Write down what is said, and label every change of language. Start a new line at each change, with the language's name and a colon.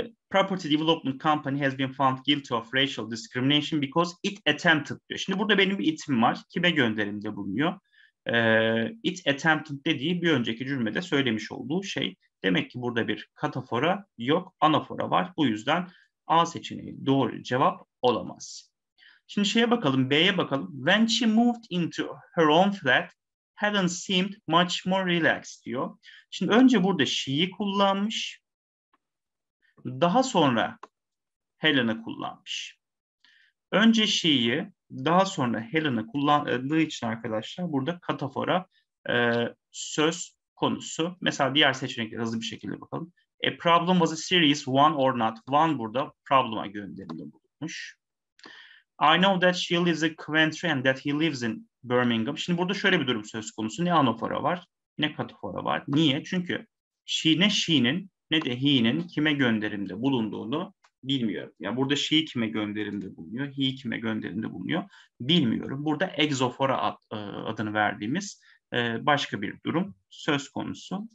English: Property Development Company has been found guilty of racial discrimination because it attempted
Turkish: diyor. Şimdi burada benim bir itim var. Kime gönderimde bulunuyor? It attempted dediği bir önceki cümlede söylemiş olduğu şey. Demek ki burada bir katafora yok, anafora var. Bu yüzden A seçeneği doğru cevap olamaz. Şimdi şeye bakalım, B'ye bakalım.
English: When she moved into her own flat, Helen seemed much more relaxed
Turkish: diyor. Şimdi önce burada she'yi kullanmış. Daha sonra Helen'ı kullanmış. Önce she'yi, daha sonra Helen'ı kullandığı için arkadaşlar burada katafora söz konusu. Mesela diğer seçenekler hızlı bir şekilde bakalım.
English: A problem was a serious one or not. One
Turkish: burada problem'a gönderildi bulunmuş.
English: I know that she lives in Coventry and that he lives in Birmingham.
Turkish: Şimdi burada şöyle bir durum söz konusu. Ne anafora var, ne katafora var. Niye? Çünkü she, ne she'nin ne de he'nin kime gönderimde bulunduğunu bilmiyorum. Yani burada she'yi kime gönderimde bulunuyor, he'yi kime gönderimde bulunuyor bilmiyorum. Burada exofora adını verdiğimiz başka bir durum söz konusu.